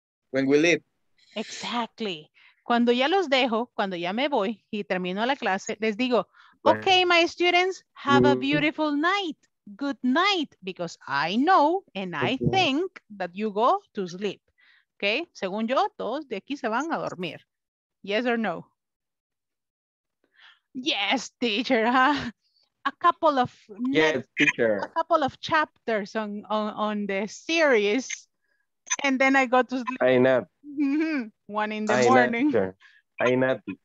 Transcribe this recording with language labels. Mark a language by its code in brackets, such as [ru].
[en] When we leave. Exactly. [es] Cuando ya los dejo, cuando ya me voy y termino la clase, les digo, [en] okay, my students, have a beautiful night. Good night. Because I know and I think that you go to sleep. Okay? [es] Según yo, todos de aquí se van a dormir. [en] Yes or no? Yes, teacher, huh? A couple of a couple of chapters on the series, and then I go to sleep. I nap. One in the morning. I nap.